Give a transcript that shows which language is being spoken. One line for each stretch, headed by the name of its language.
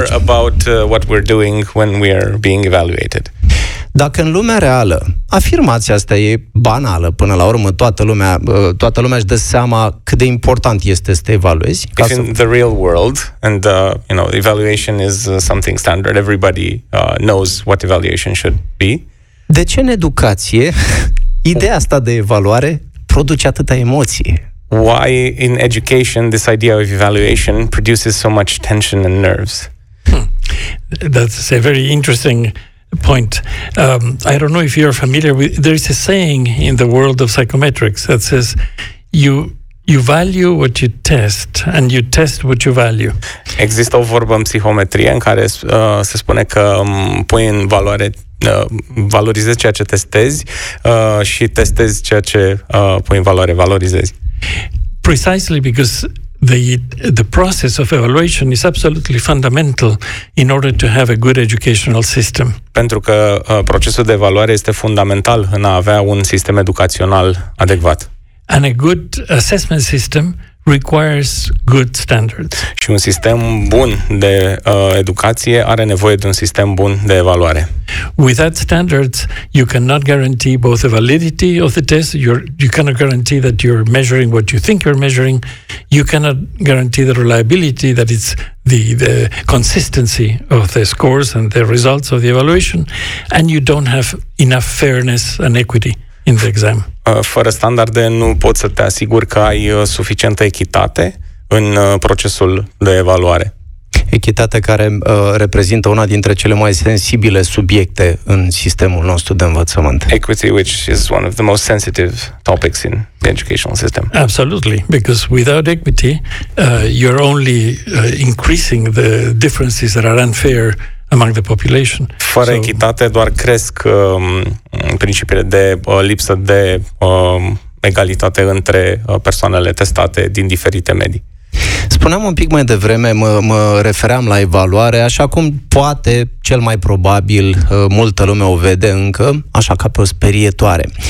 English: We're not sure about what we're doing when we are being evaluated.
Romanian: Dacă în lumea reală, afirmația asta e banală, până la urmă toată lumea își dă seama cât de important este să te evaluezi.
English: If in the real world and you know, evaluation is something standard, everybody knows what evaluation should be.
Romanian: De ce în educație ideea asta de evaluare produce atâta emoție?
English: Why in education this idea of evaluation produces so much tension and nerves? That's a very interesting point. I don't know if you're familiar with, there is a saying in the world of psychometrics that says you value what you test and you test what you value.
Romanian: Există o vorbă în psihometrie în care se spune că pui în valoare, valorizezi ceea ce testezi și testezi ceea ce pui în valoare, valorizezi.
English: Precisely because the process of evaluation is absolutely fundamental in order to have a good educational system.
Romanian: Pentru că procesul de evaluare este fundamental în a avea un sistem educațional adecvat.
English: And a good assessment system requires good standards.
Romanian: Și un sistem bun de educație are nevoie de un sistem bun de evaluare.
English: Without standards, you cannot guarantee both the validity of the test, you cannot guarantee that you're measuring what you think you're measuring, you cannot guarantee the reliability, that it's the consistency of the scores and the results of the evaluation, and you don't have enough fairness and equity in the exam.
Romanian: Fără standarde nu poți să te asiguri că ai suficientă echitate în procesul de evaluare. Echitate care reprezintă una dintre cele mai sensibile subiecte în sistemul nostru de învățământ.
English: Equity, which is one of the most sensitive topics in the educational system. Absolutely, because without equity, you're only increasing the differences that are unfair among the population.
Romanian: Fără echitate doar cresc principiile de lipsă de egalitate între persoanele testate din diferite medii. Spuneam un pic mai devreme, mă refeream la evaluare, așa cum poate, cel mai probabil, multă lume o vede încă, așa ca pe o sperietoare.